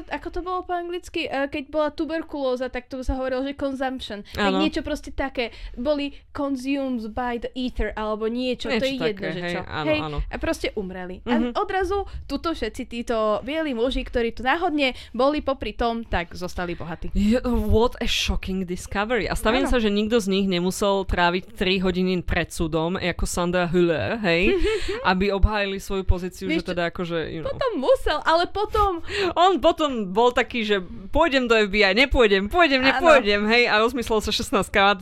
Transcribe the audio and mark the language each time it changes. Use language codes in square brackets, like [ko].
[sk] ako to bolo po anglicky, keď bola tuberkulóza, tak to sa hovorilo, že consumption. Tak áno. Niečo proste také, boli [en] consumed by the ether, [sk] alebo niečo to je jedno, že čo. A proste umreli. A odrazu tuto všetci títo bieli muži, ktorí tu náhodne boli popri tom, tak zostali bohatí. [en] What a shocking discovery. [sk] A stavím sa, že nikto z nich nemusel tráviť 3 hodiny pred súdom, ako Sandra Hüller, hej, aby obhájili svoju pozíciu, že teda akože, you know. Potom musel, ale potom... On potom bol taký, že pôjdem do FBI, nepôjdem, hej, a rozmyslel sa 16 krát.